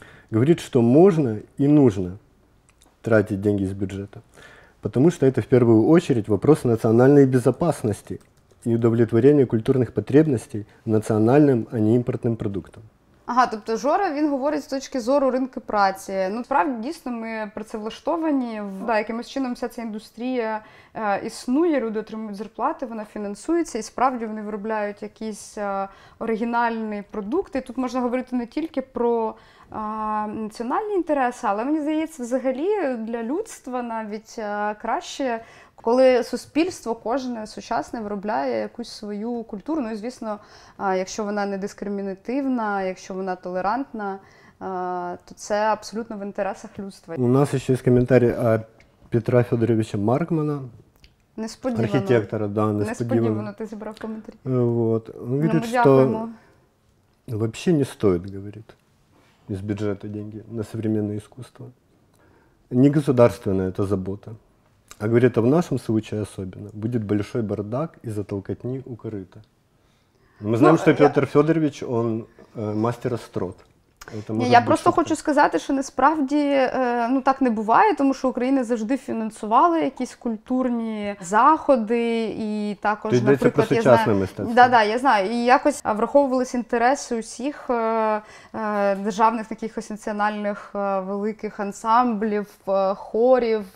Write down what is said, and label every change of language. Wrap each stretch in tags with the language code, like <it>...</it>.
<ru>Говорит, что можно и нужно тратить деньги из бюджета. Потому что это в первую очередь вопрос национальной безопасности.</ru> <uk>І удовлетворення культурних потребностей національним, а не імпортним продуктом. Ага, тобто Жора, він говорить з точки зору ринку праці. Ну, справді, дійсно, ми працевлаштовані, да, якимось чином вся ця індустрія існує, люди отримують зарплати, вона фінансується, і справді вони виробляють якісь оригінальні продукти. Тут можна говорити не тільки про національні інтереси, але, мені здається, взагалі для людства навіть краще, коли суспільство кожне сучасне виробляє якусь свою культуру, ну і звісно, якщо вона не дискримінативна, якщо вона толерантна, то це абсолютно в інтересах людства. У нас ще є коментарі Петра Федоровича Маркмана. Несподівано. Архітектора, да, несподівано. Несподівано ти зібрав коментарі.</uk> <ru>Вот.</ru> <uk>Він говорить, що взагалі не стоїть, говорить, з бюджету деньги на сучасне мистецтво. Не государственна це забота.</uk> <ru>А говорит, а в нашем случае особенно будет большой бардак из-за толкотни у корыта. Мы знаем, что Петр Федорович, он мастер острот.</ru> <uk>Ні, я просто шутка. Хочу сказати, що насправді ну, так не буває, тому що Україна завжди фінансувала якісь культурні заходи і також, наприклад, про сучасне мистецтво. Да, я знаю. І якось враховувались інтереси усіх державних якихось національних великих ансамблів, хорів.</uk>